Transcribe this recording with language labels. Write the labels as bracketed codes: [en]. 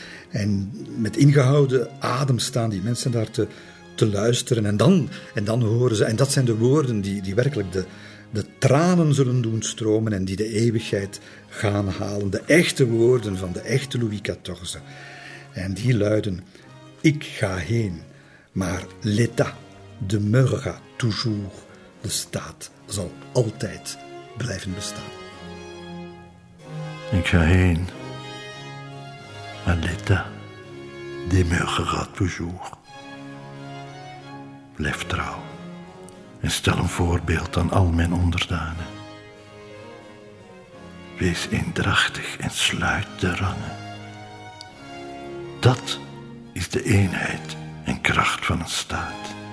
[nl] En met ingehouden adem staan die mensen daar te luisteren en dan horen ze, en dat zijn de woorden die werkelijk de tranen zullen doen stromen en die de eeuwigheid gaan halen, de echte woorden van de echte Louis XIV. En die luiden: ik ga heen, maar [fr] l'État demeurera toujours. [nl] De staat zal altijd blijven bestaan. Ik ga heen, en [fr] l'état demeurera toujours. [nl] Blijf trouw en stel een voorbeeld aan al mijn onderdanen. Wees eendrachtig en sluit de rangen. Dat is de eenheid en kracht van een staat.